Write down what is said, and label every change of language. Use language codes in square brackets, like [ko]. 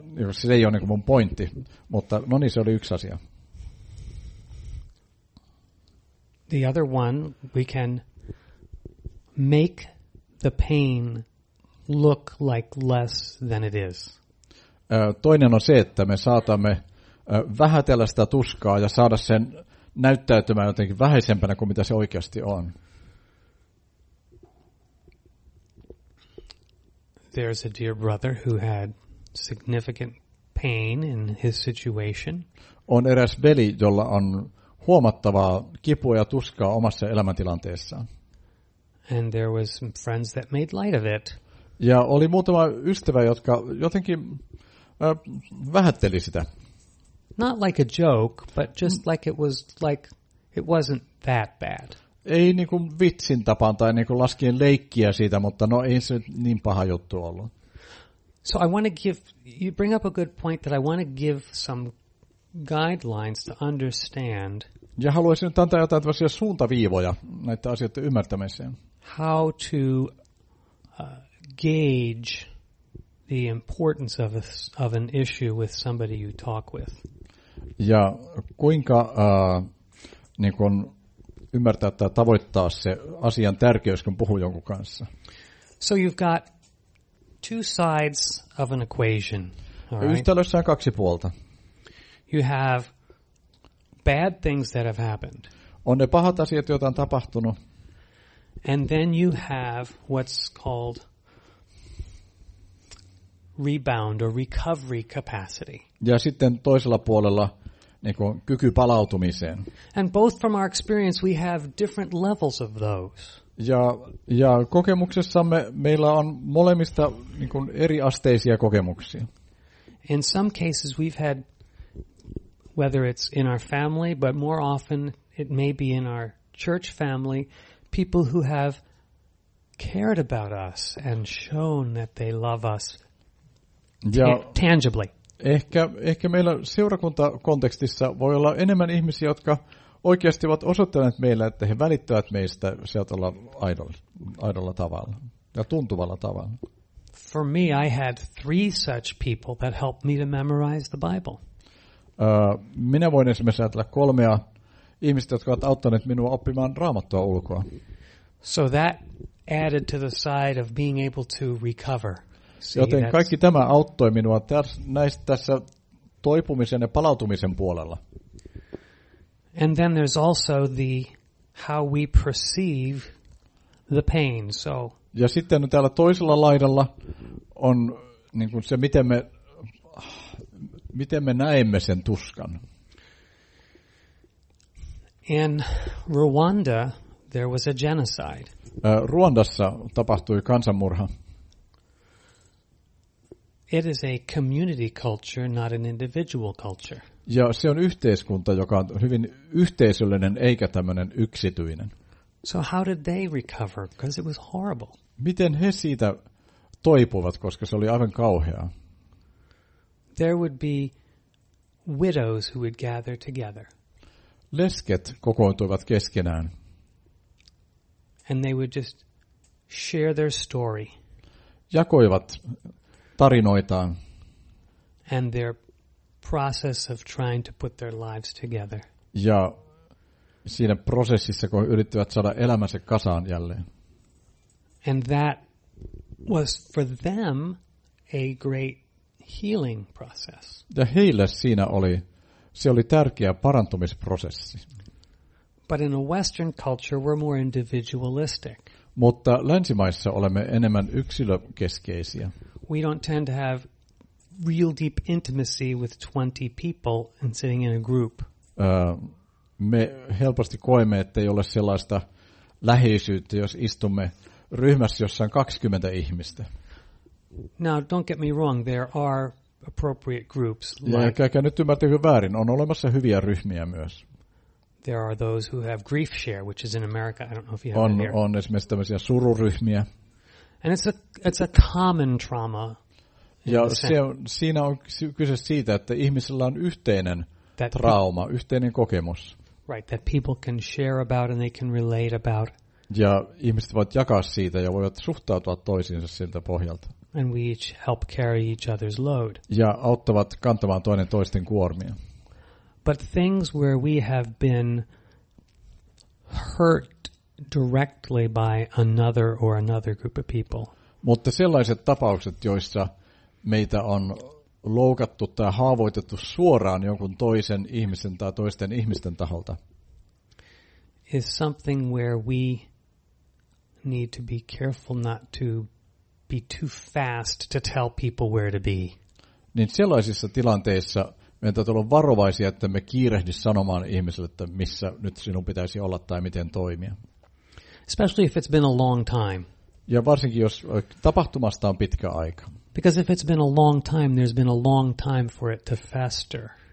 [fi] Se ei ole niin kuin mun pointti, mutta no niin, se oli yksi asia. [en] The other one, we can make the pain look like less than it is. [fi] Toinen on se, että me saatamme vähätellä sitä tuskaa ja saada sen näyttäytymään jotenkin vähäisempänä kuin mitä se oikeasti on. [en] There's a dear brother who had significant pain in his situation. [fi] On eräs veli, jolla on huomattavaa kipua ja tuskaa omassa elämäntilanteessaan. [en] And there was some friends that made light of it. [fi] Ja oli muutama ystävä, jotka jotenkin vähätteli sitä. [en] Not like a joke, but just like it was like it wasn't that bad. [fi] Ei niin kuin vitsin tapaan tai niin kuin laskien leikkiä siitä, mutta no ei se niin paha juttu ollut. [en] So I want to give you bring up a good point that I want to give some guidelines to understand. [fi] Ja haluaisin antaa jotain tällaisia suuntaviivoja näitä asioita ymmärtämiseen. [en] How to gauge the importance of an issue with somebody you talk with. [fi] Ja kuinka niin kun ymmärtää tai tavoittaa se asian tärkeys, kun puhuu jonkun kanssa. [en] So you've got two sides of an equation. Right? [fi] Yhtälössä on kaksi puolta. [en] You have bad things that have happened. [fi] On ne pahat asiat, joita on tapahtunut. [en] And then you have what's called rebound or recovery capacity. [fi] Ja sitten toisella puolella niin kuin kyky palautumiseen. [en] And both from our experience we have different levels of those. [fi] Ja kokemuksessamme meillä on molemmista niin kuin eri asteisia kokemuksia. [en] In some cases we've had, whether it's in our family, but more often it may be in our church family, people who have cared about us and shown that they love us tangibly. [fi] Ehkä meillä seurakuntakontekstissa voi olla enemmän ihmisiä, jotka oikeasti ovat osoittaneet meille, että he välittävät meistä sieltä olla aidolla tavalla ja tuntuvalla tavalla. [en] For me, I had three such people that helped me to memorize the Bible. [fi] Minä voin esimerkiksi ajatella kolmea ihmistä, jotka ovat auttaneet minua oppimaan Raamattua ulkoa. [en] So that added to the side of being able to recover. [fi] See, joten kaikki tämä auttoi minua tässä toipumisen ja palautumisen puolella. [en] And then there's also the how we perceive the pain. So [fi] ja sitten täällä toisella laidalla on niin kuin se miten me näemme sen tuskan. [en] In Rwanda there was a genocide. [fi] Ruandassa tapahtui kansanmurha. [en] It is a community culture, not an individual culture. [fi] Ja se on yhteiskunta, joka on hyvin yhteisöllinen eikä tämmöinen yksityinen. [en] So how did they recover? Because it was horrible. [fi] Miten he siitä toipuvat, koska se oli aivan kauheaa? [en] There would be widows who would gather together. [fi] Lesket kokoontuivat keskenään. [en] And they would just share their story. [fi] Jakoivat tarinoitaan. [en] And their process of trying to put their lives together. [fi] Ja siinä prosessissa, kun yrittivät saada elämänsä kasaan jälleen. [en] And that was for them a great healing process. [fi] Ja heille siinä se oli tärkeä parantumisprosessi. [en] But in a Western culture, we're more individualistic. [fi] Mutta länsimaissa olemme enemmän yksilökeskeisiä. [en] We don't tend to have real deep intimacy with 20 people and sitting in a group. [fi] Me helposti koemme, että ei ole sellaista läheisyyttä, jos istumme ryhmässä, jossa on 20 ihmistä. [en] Now, don't get me wrong, there are appropriate groups. [fi] Käykää nyt ymmärtäkö väärin, on olemassa hyviä ryhmiä myös. [en] There are those who have grief share, which is in America. I don't know if you have [fi] on, [en] it here. [fi] On esimerkiksi tämmöisiä sururyhmiä. [en] And it's a common trauma. [fi] Ja siinä on kyse siitä, että ihmisellä on yhteinen trauma, yhteinen kokemus. [en] Right, that people can share about and they can relate about. [fi] Ja ihmiset voivat jakaa siitä ja voivat suhtautua toisiinsa siltä pohjalta. [en] And we each help carry each other's load. [fi] Ja auttavat kantamaan toinen toisten kuormia. [en] But things where we have been hurt directly by another or another group of people. [fi] Mutta sellaiset tapaukset, joissa meitä on loukattu tai haavoitettu suoraan jonkun toisen ihmisen tai toisten ihmisten taholta. [en] Is something where we need to be careful not to be too fast to tell people where to be. [fi] Niin sellaisissa tilanteissa meidän täytyy olla varovaisia, että me kiirehdi sanomaan ihmiselle, että missä nyt sinun pitäisi olla tai miten toimia. [en] Especially if it's been a long time. [fi] Ja varsinkin jos tapahtumasta on pitkä aika. [en] Because if it's been a long time, there's been a long time for it to fester.